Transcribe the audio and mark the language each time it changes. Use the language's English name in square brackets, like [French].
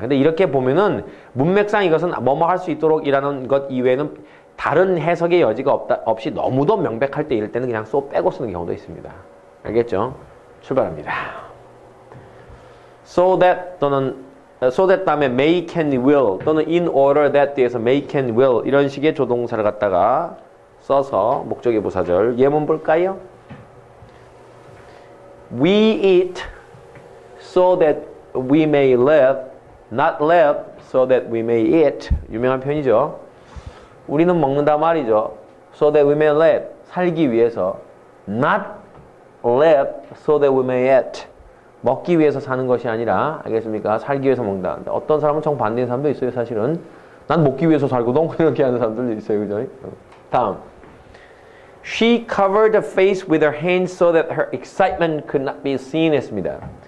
[Korean] 근데 이렇게 보면은 문맥상 이것은 뭐뭐 할 수 있도록 이라는 것 이외에는 다른 해석의 여지가 없이 너무도 명백할 때 이럴 때는 그냥 so 빼고 쓰는 경우도 있습니다. 알겠죠? 출발합니다. so that 또는 so that 다음에 may can will 또는 in order that 뒤에서 may can will 이런 식의 조동사를 갖다가 써서 목적의 부사절 예문 볼까요? [English] We eat so that we may live, not live so that we may eat. [Korean] 유명한 표현이죠. 우리는 먹는다 말이죠. [English] So that we may live, [Korean] 살기 위해서. [English] Not live so that we may eat. [Korean] 먹기 위해서 사는 것이 아니라, 알겠습니까? 살기 위해서 먹는다. 근데 어떤 사람은 정반대인 사람도 있어요, 사실은. 난 먹기 위해서 살고, 너무 그렇게 하는 사람들도 있어요, 그죠? 다음. [English] She covered her face with her hands so that her excitement could not be seen [Korean] 했습니다.